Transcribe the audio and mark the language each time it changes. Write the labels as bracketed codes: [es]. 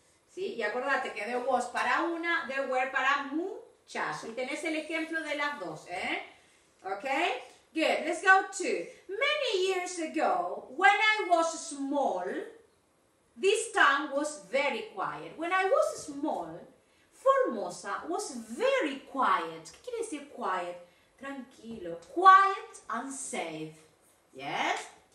[es] Sí, y acuérdate que [en] there was [es] para una, [en] there were [es] para muchas. Y tenés el ejemplo de las dos, ¿eh? [en] Okay. Good, let's go to. Many years ago, when I was small, this town was very quiet. When I was small, Formosa was very quiet. [es] ¿Qué quiere decir quiet? Tranquilo. [en] Quiet and safe. Yes?